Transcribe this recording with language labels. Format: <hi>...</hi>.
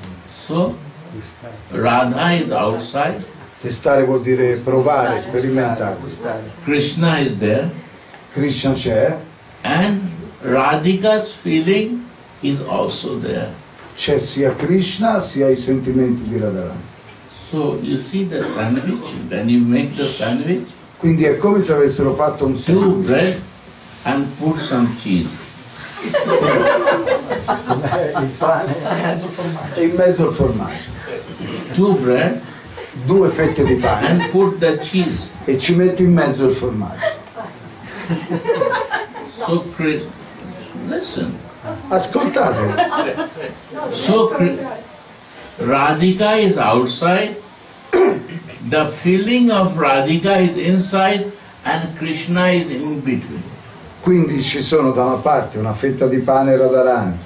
<en>So? Radha is outside.</en> <it>Testare vuol dire provare, sperimentare.</it> <en>Krishna is there.</en> <it>Krishna c'è.</it> <en>And Radhika's feeling is also there.</en> <it>C'è sia Krishna sia i sentimenti di Radha.</it> <en>So you see the sandwich, when you make the sandwich.</en> <it>Quindi è come se avessero fatto un sandwich.</it> <en>Two bread and put some cheese.</en> <it>Il pane e in mezzo al formaggio.</it> <en>Two bread,</en> <it>due fette di pane</it> <en>and put the cheese.</en> <it>E ci metti in mezzo il formaggio.</it> <en>So listen.</en> <it>Ascoltate.</it> <en>So Radhika is outside. The feeling of Radhika is inside and Krishna is in between.</en> <it>Quindi ci sono da una parte una fetta di pane Radharani.</it>